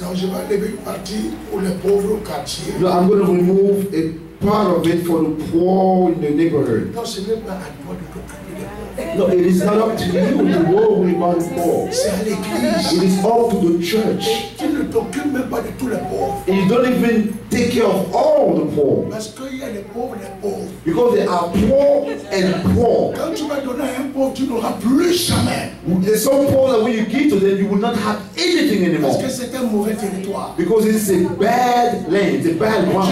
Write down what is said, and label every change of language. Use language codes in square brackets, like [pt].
[fr] Donc je vais lever une partie pour les pauvres quartiers. [en] No, I'm going to remove a part of it for the poor in the neighborhood. [fr] Non, c'est même pas à toi de t'occuper des pauvres. [en] No, it is not up to you to worry about the poor. [fr] C'est à l'église. [en] It is all to the church. [fr] Tu ne t'occupes même pas de tous les pauvres. [en] And you don't even take care of all the poor. [fr] Parce qu'il y a les pauvres, les pauvres. [en] Because there are poor and poor. [fr] Quand tu vas donner un pauvre, tu n'auras plus jamais. [en] There's some poor that when you give to them, you will not have anything anymore. [fr] Parce que c'est un mauvais territoire. [en] Because it's a bad land, it's a bad ground.